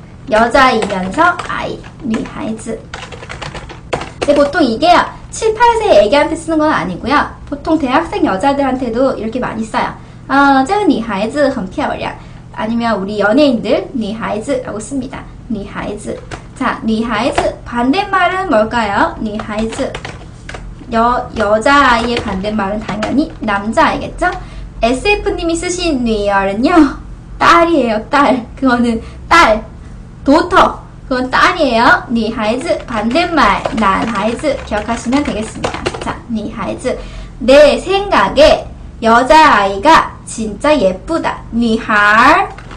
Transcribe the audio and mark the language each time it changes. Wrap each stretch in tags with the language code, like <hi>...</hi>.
<ko>여자이면서 아이, 女孩子. 근데 보통 이게 7-8세 애기한테 쓰는 건 아니고요. 보통 대학생 여자들한테도 이렇게 많이 써요.</ko> <zh>这女孩子很漂亮.</zh> <ko>아니면 우리 연예인들, 女孩子라고 씁니다. 女孩子. 자, 女孩子. 반대말은 뭘까요? 女孩子. 여자아이의 반대말은 당연히 남자아이겠죠? SF님이 쓰신 리얼은요, 딸이에요, 딸. 그거는 딸. 도터. 그건 딸이에요. 니 하이즈. 반대말. 난 하이즈. 기억하시면 되겠습니다. 자, 니 하이즈. 내 생각에 여자아이가 진짜 예쁘다. 니 할.</ko>